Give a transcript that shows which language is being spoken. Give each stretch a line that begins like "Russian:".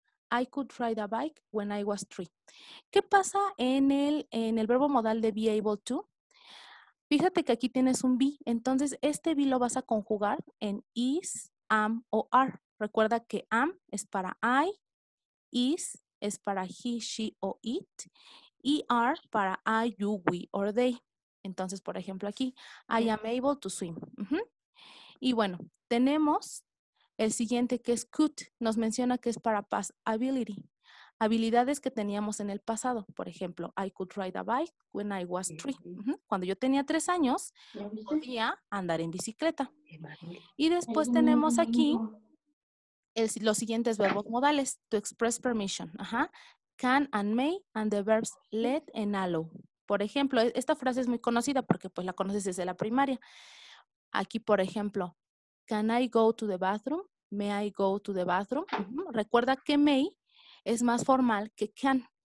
English: I could ride a bike when I was three.
Spanish: ¿Qué pasa en el verbo modal de be able to? Fíjate que aquí tienes un be, entonces este be lo vas a conjugar en is, am o are. Recuerda que am es para I, is es para he, she o it, y are para I, you, we or they. Entonces, por ejemplo aquí,
English: I am able to swim.
Spanish: Uh-huh. Y bueno, tenemos el siguiente que es could, nos menciona que es para
English: past ability.
Spanish: Habilidades que teníamos en el pasado. Por ejemplo,
English: I could ride a bike when I was three.
Spanish: Cuando yo tenía 3 años, podía andar en bicicleta. Y después tenemos aquí los siguientes verbos modales.
English: To express permission. Ajá. Can and may and the verbs let and allow.
Spanish: Por ejemplo, esta frase es muy conocida porque pues la conoces desde la primaria. Aquí, por ejemplo,
English: can I go to the bathroom? May I go to the bathroom?
Spanish: Recuerda que may es más formal que can.